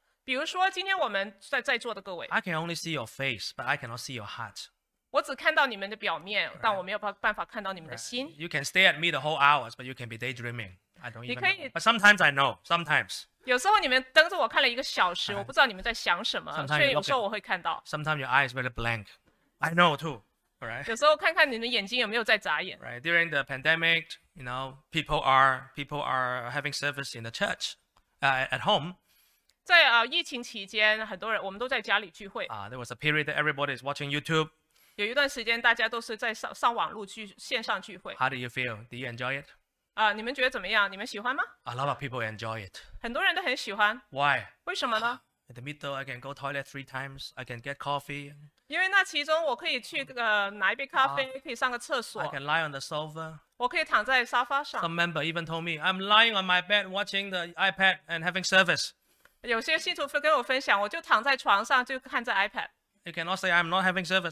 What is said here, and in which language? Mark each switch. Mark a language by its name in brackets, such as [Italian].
[Chinese] 比如说今天我们在座的各位。 [English] I can only see your face, but I cannot see your heart. [Chinese] 我只看到你们的表面，但我没有办法看到你们的心。 [English] You can stare at me the whole hours, but you can be daydreaming. I don't even know. But sometimes I know. Sometimes. [Chinese] 有时候你们瞪着我看了一个小时，我不知道你们在想什么。 [English] Sometimes. [Chinese] 所以有时候我会看到。 [English] Sometimes your eyes really blank. I know too. Right. [Chinese] 有时候看看你们眼睛有没有在眨眼。 [English] Right. During the pandemic, you know, people are having service in the church, at home. [Chinese] 在疫情期间，很多人我们都在家里聚会。 [English] There was a period that everybody is watching YouTube. [Chinese] 有一段时间大家都是在 上网路去线上聚会。 [English] How do you feel? Do you enjoy it? [Chinese] 你们觉得怎么样？你们喜欢吗？ [English] A lot of people enjoy it. [Chinese] 很多人都很喜欢。 [English] Why? [Chinese] 为什么呢？ [English] In the middle, I can go toilet three times. I can get coffee. [Chinese] 因为那其中我可以去拿一杯咖啡，可以上个厕所。 [English] I can lie on the sofa. [Chinese] 我可以躺在沙发上。 [English] Some member even told me, I'm lying on my bed watching the iPad and having service. [Chinese] 有些信徒跟我分享，我就躺在床上就看着 iPad. [English] You can not say I'm not having service.